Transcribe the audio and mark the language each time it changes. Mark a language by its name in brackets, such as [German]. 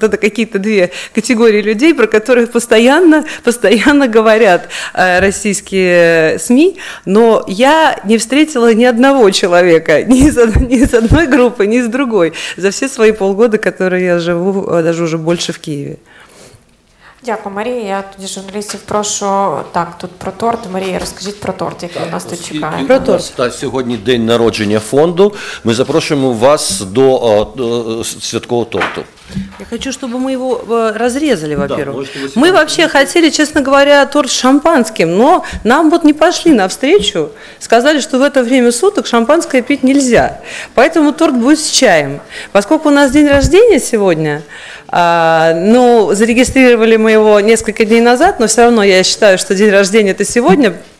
[Russian] Вот это какие-то две категории людей, про которых постоянно говорят российские СМИ, но я не встретила ни одного человека, ни из одной группы, ни из другой, за все свои полгода, которые я живу, даже уже больше в Киеве. [Ukrainian] Дякую, Марія. Я тоді журналістів прошу. Так, тут про торт. Марія, розкажіть про торт, який так, у нас тут чекає. Про торт. Та сьогодні день народження фонду. Ми запрошуємо вас до святкового торту. [Russian] Я хочу, чтобы мы его разрезали, во-первых. Да, может, мы вообще хотели, честно говоря, торт с шампанским, но нам вот не пошли навстречу, сказали, что в это время суток шампанское пить нельзя. Поэтому торт будет с чаем. Поскольку у нас день рождения сегодня, ну, зарегистрировали мы его несколько дней назад, но все равно я считаю, что день рождения это сегодня.